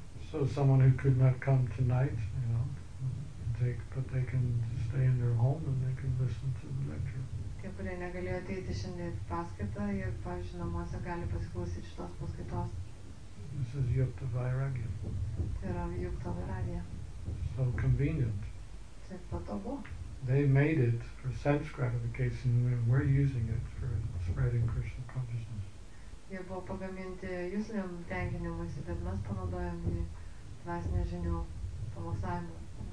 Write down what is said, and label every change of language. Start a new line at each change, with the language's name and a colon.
English: So someone who could not come tonight, you know, but they can stay in their home and they can listen to the lecture.
Lithuanian: Tie, kurie negalėjo ateiti šiandien į paskaitą, jie, pavyzdžiui, namuose gali pasiklausyti šitos paskaitos.
English: This is Yukta Vairagya.
Lithuanian: Tai yra Yukta Vairagya.
English: So convenient.
Lithuanian: Taip patogu.
English: They made it for sense gratification and we're using it for spreading Krishna consciousness.
Lithuanian: Jie buvo pagaminti jusliniam tenkinimuisi, bet mes panaudojom jį dvasinę žinių pamoksavimą.